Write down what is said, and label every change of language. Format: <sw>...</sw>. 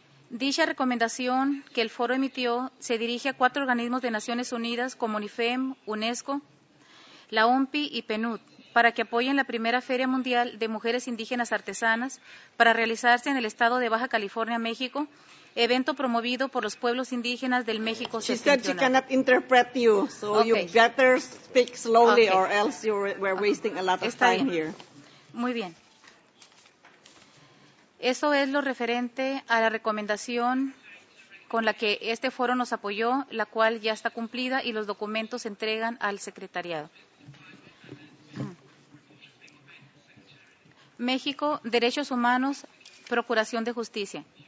<es>Dicha recomendación que el foro emitió se dirige a cuatro organismos de Naciones Unidas como UNIFEM, UNESCO, la OMPI y PNUD, para que apoyen la primera Feria Mundial de Mujeres Indígenas Artesanas para realizarse en el estado de Baja California, México, evento promovido por los pueblos indígenas del México septentrional.</es> <en>She said she cannot interpret you, so okay. You better speak slowly okay. Or else you were wasting a lot of</en> <es>Está</es> <en>time</en> <es>bien.</es> <en>Here.</en> <es>Muy bien. Eso es lo referente a la recomendación con la que este foro nos apoyó, la cual ya está cumplida y los documentos se entregan al secretariado. México, Derechos Humanos, Procuración de Justicia.</es>